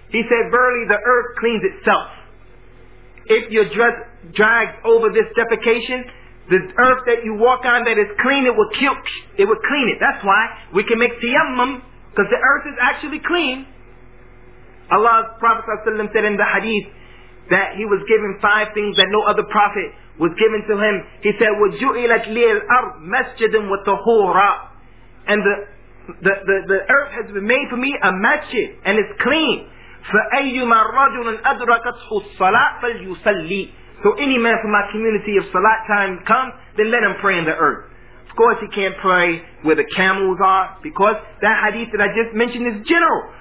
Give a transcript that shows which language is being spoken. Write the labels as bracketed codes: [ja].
[en] He said, verily, the earth cleans itself. If your dress drags over this defecation, the earth that you walk on that is clean, it will clean it. That's why we can make tayammum, because the earth is actually clean. Allah's Prophet ﷺ said in the hadith that he was given five things that no other prophet was given to him. [ar] He said, وَجُعِلَتْ لِيَ الْأَرْضِ مَسْجِدٍ وَطَهُورًا. [en] And the earth has been made for me a masjid, and it's clean. [ar] فَأَيُّمَا رَجُلٌ أَدْرَكَتْهُ الصَّلَاةِ فَلْيُصَلِّي. [en] So any man from my community, if salat time comes, then let him pray in the earth. Of course he can't pray where the camels are, because that hadith that I just mentioned is general.